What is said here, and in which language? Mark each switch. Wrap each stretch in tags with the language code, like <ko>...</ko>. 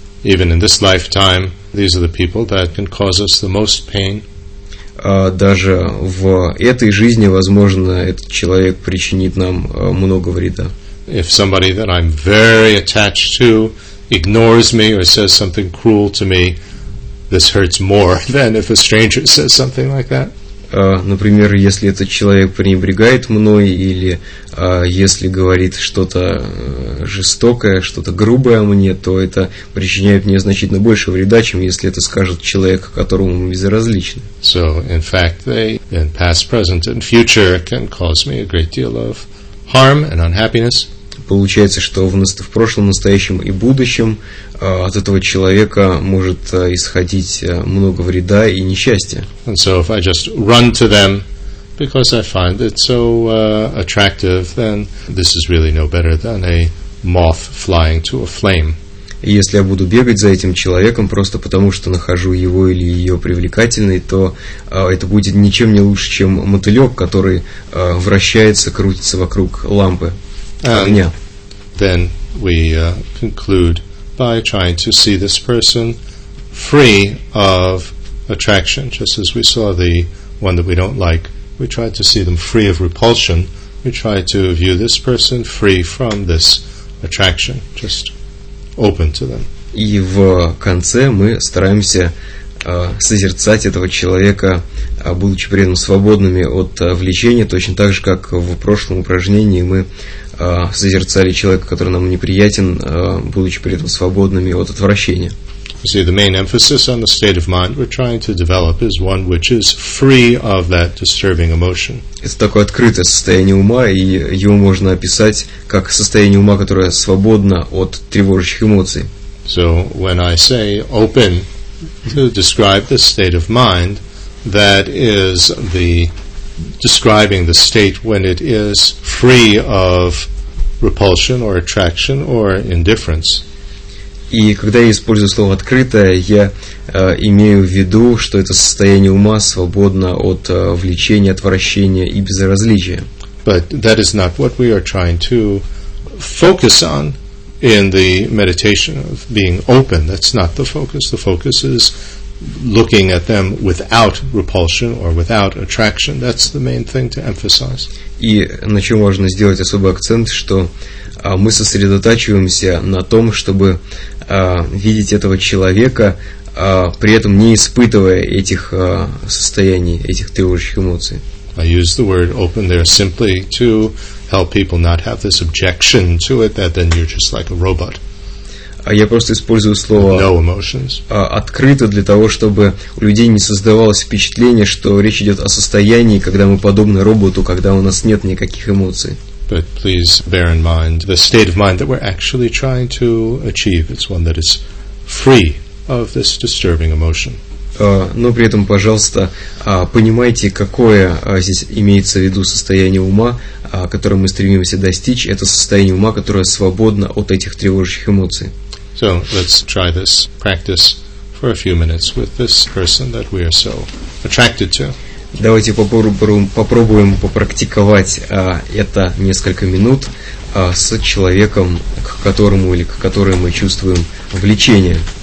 <en>Even in this lifetime, these are the people that can cause us the most pain.</en> <ru>даже в этой жизни, возможно, этот человек причинит нам много вреда.</ru> <en>If somebody that I'm very attached to ignores me or says something cruel to me, this hurts more than if a stranger says something like that.</en> <ru>Например, если этот человек пренебрегает мной или если говорит что-то жестокое, что-то грубое мне, то это причиняет мне значительно больше вреда, чем если это скажет человек, которому мы безразличны.</ru> <en>So, in fact, they, in past, present, and future, can cause me a great deal of harm and unhappiness.</en> <ru>Получается, что в прошлом, настоящем и будущем от этого человека может исходить много вреда и несчастья.</ru> <en>And so if I just run to them because I find it so attractive, then this is really no better than a moth flying to a flame.</en> <ru>Если я буду бегать за этим человеком просто потому, что нахожу его или ее привлекательной, то это будет ничем не лучше, чем мотылек, который вращается, крутится вокруг лампы.</ru> <en>Then we conclude by trying to see this person free of attraction, just as we saw the one that we don't like. We try to see them free of repulsion. We try to view this person free from this attraction, just open to them.</en> <ru>И в конце мы стараемся созерцать этого человека, будучи при этом свободными от влечения, точно так же, как в прошлом упражнении мы созерцали человека, который нам неприятен, будучи при этом свободными от отвращения.</ru> <en>You see, the main emphasis on the state of mind we're trying to develop is one which is free of that disturbing emotion.</en> <ru>Это такое открытое состояние ума, и его можно описать как состояние ума, которое свободно от тревожащих эмоций.</ru> <en>So, when I say open to describe the state of mind, that is the describing the state when it is free of repulsion or attraction or indifference.</en> <ru>И когда я использую слово открытое, я имею в виду, что это состояние ума свободно от влечения, отвращения и безразличия.</ru> <en>But that is not what we are trying to focus on in the meditation of being open. That's not the focus. The focus is looking at them without repulsion or without attraction. That's the main thing to emphasize.</en> <ru>И на чем можно сделать особый акцент, что мы сосредотачиваемся на том, чтобы видеть этого человека, при этом не испытывая этих состояний, этих тревожащих эмоций.</ru> <en>I use the word open there simply to help people not have this objection to it, that then you're just like a robot.</en> <ru>Я просто использую слово «открыто» для того, чтобы у людей не создавалось впечатление, что речь идет о состоянии, когда мы подобны роботу, когда у нас нет никаких эмоций.</ru> <en>But please bear in mind the state of mind that we're actually trying to achieve. It's one that is free of this disturbing emotion.</en> <ru>Но при этом, пожалуйста, понимайте, какое здесь имеется в виду состояние ума, которое мы стремимся достичь. Это состояние ума, которое свободно от этих тревожащих эмоций.</ru> <en>So, let's try this practice for a few minutes with this person that we are so attracted to.</en> <ru>Давайте попробуем попрактиковать это несколько минут с человеком, к которому или к которой мы чувствуем влечение.</ru>